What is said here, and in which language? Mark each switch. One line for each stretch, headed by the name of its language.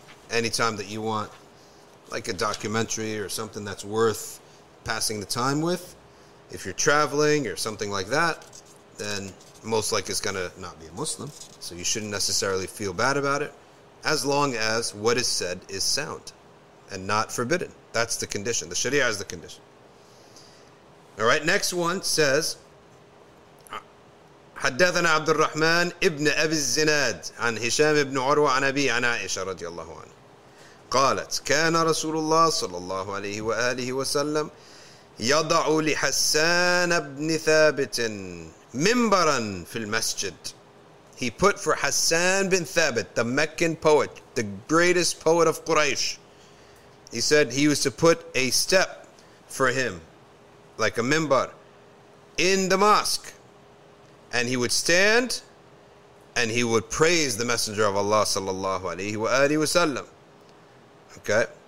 English: Anytime that you want, like a documentary or something that's worth passing the time with, if you're traveling or something like that, then most likely it's gonna not be a Muslim, so you shouldn't necessarily feel bad about it, as long as what is said is sound and not forbidden. That's the condition. The Sharia is the condition. All right, next one says,
Arabic: حدثنا عبد الرحمن ابن أبي الزناد عن هشام ابن عروة عن أبي عن عائشة رضي الله عنه قالت كان رسول الله صلى الله عليه وآله وسلم يضع لحسان ابن ثابت منبرا في المسجد.
English: He put for Hassan bin Thabit, the Meccan poet, the greatest poet of Quraysh. He said he used to put a step for him, like a minbar, in the mosque. And he would stand and he would praise the Messenger of Allah sallallahu alayhi wa alihi wa sallam. Okay?